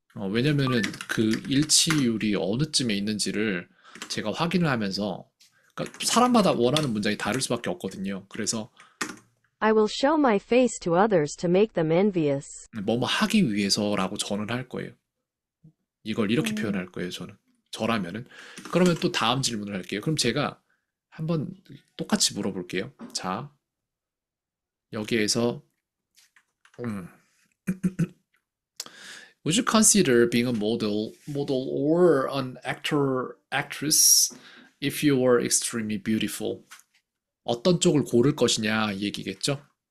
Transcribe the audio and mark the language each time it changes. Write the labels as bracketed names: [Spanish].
[Korean] 왜냐면은 그 일치율이 어느쯤에 있는지를 제가 확인을 하면서 그러니까 사람마다 원하는 문장이 다를 수밖에 없거든요. 그래서 [English] I will show my face to others to make them envious. [Korean] 뭐뭐 하기 위해서라고 저는 할 거예요. 이걸 이렇게 표현할 거예요, 저는. 저라면은. 그러면 또 다음 질문을 할게요. 그럼 제가 한번 똑같이 물어볼게요. 자, 여기에서 [English] Would you consider being a model or an actor, actress if you were extremely beautiful? [Korean] 어떤 쪽을 고를 것이냐 얘기겠죠?